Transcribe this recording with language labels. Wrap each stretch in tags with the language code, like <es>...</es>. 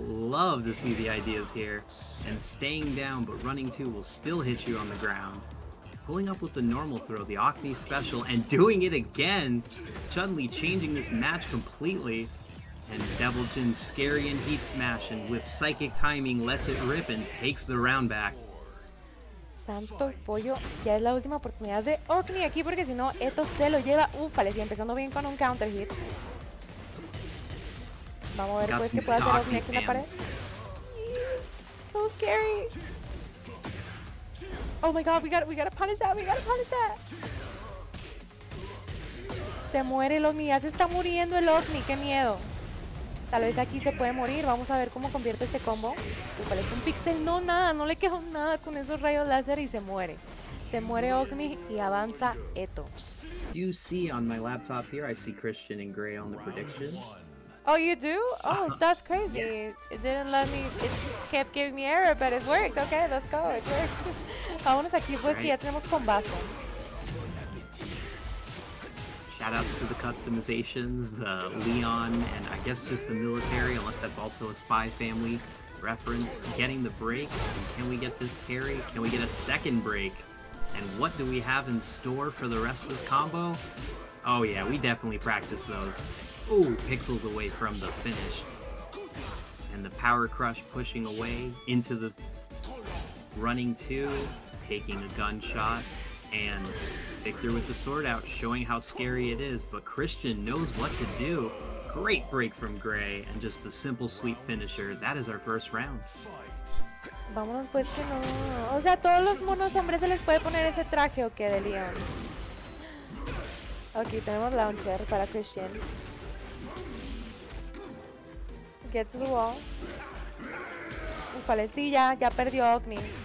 <en>Love to see the ideas here. And staying down, but running two will still hit you on the ground. Pulling up with the normal throw, the Ogni special, and doing it again, suddenly changing this match completely. And Devilgen scary and heat smash, and with psychic timing lets it rip and takes the round back.</en> <es>Santo pollo, ya es la última oportunidad de Ogni aquí porque si no Eto se lo lleva. Úpale, y empezando bien con un counter hit. Vamos a ver pues qué puede hacer Ogni aquí en la pared.</es> <en>So scary. Oh my god, we gotta punish that.</en> <es>Se muere el Ogni. Ya se está muriendo el Ogni. Qué miedo. Tal vez aquí se puede morir. Vamos a ver cómo convierte este combo. Parece un pixel. No, nada. No le quedó nada con esos rayos láser y se muere. Se muere Ogni y avanza Eto.</es> <en>You see on my laptop here, I see Christian and Gray on the predictions. Oh, you do? Oh, that's crazy. Yes. It didn't let me, it kept giving me error, but it worked. Okay, let's go. It worked.</en> <es>Vámonos aquí, pues, que ya tenemos combazo.</es> <en>Shoutouts to the customizations, the Leon, and I guess just the military, unless that's also a Spy Family reference. Getting the break. Can we get this carry? Can we get a second break? And what do we have in store for the rest of this combo? Oh yeah, we definitely practiced those. Ooh, pixels away from the finish. And the Power Crush pushing away into the running two, taking a gunshot, and Victor with the sword out, showing how scary it is, but Christian knows what to do. Great break from Gray, and just the simple sweep finisher. That is our first round.</en> <es>Vámonos pues que no. O sea, todos los monos hombres se les puede poner ese traje o qué de Leon. Ok, tenemos launcher para Christian.</es> <en>Get to the wall.</en> <es>Ufale, sí, ya perdió Ogni.</es>